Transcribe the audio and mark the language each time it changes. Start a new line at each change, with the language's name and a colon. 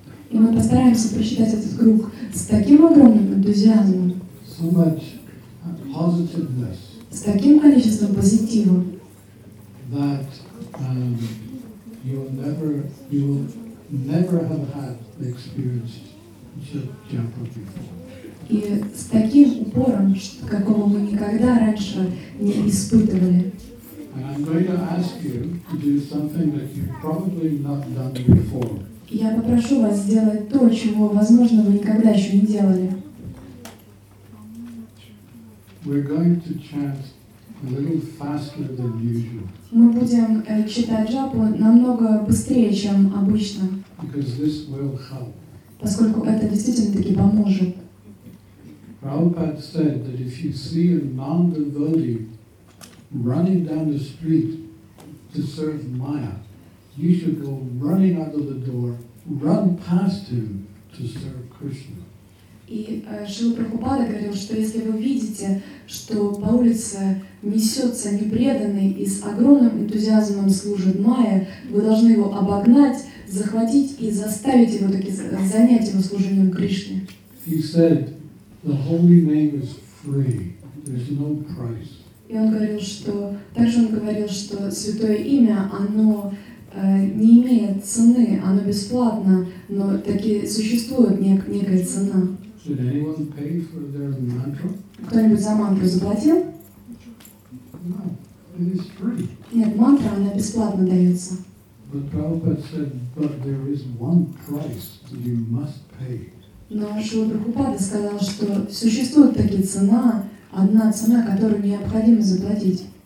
Russian: И мы постараемся прочитать этот круг с таким огромным энтузиазмом,
English: so much positiveness,
Russian: с таким количеством позитива,
English: that you will never have had the experience of japa before.
Russian: И с таким упором, какого мы никогда раньше не испытывали.
English: And I'm going to ask you to do something that you've probably not done before.
Russian: Я попрошу вас сделать то, чего, возможно, вы никогда еще не делали.
English: We're going to chant a little faster than usual.
Russian: Мы будем читать джапу намного быстрее, чем обычно.
English: Because this will help.
Russian: Поскольку это действительно-таки поможет.
English: Prabhupada said that if you see a non-devotee running down the street to serve Maya, you should go running out of the door, run past him to serve Krishna.
Russian: И Шрила Прабхупада говорил, что если вы видите, что по улице несется непреданный и с огромным энтузиазмом служит Майя, вы должны его обогнать, захватить и заставить его таки занять его служением Кришне.
English: He said, the holy name is free. There's no price.
Russian: И он говорил, что также он говорил, что святое имя, оно не имеет цены, оно бесплатно, но таки существует некая цена.
English: Did anyone pay for their mantra?
Russian: Кто-нибудь за мантру заплатил?
English: No, it is free.
Russian: Нет, мантра, она бесплатно дается.
English: But Prabhupada said, but there is one price that you must pay.
Russian: Но Шрила Прабхупада сказал, что существует такая цена, одна цена, которую необходимо заплатить.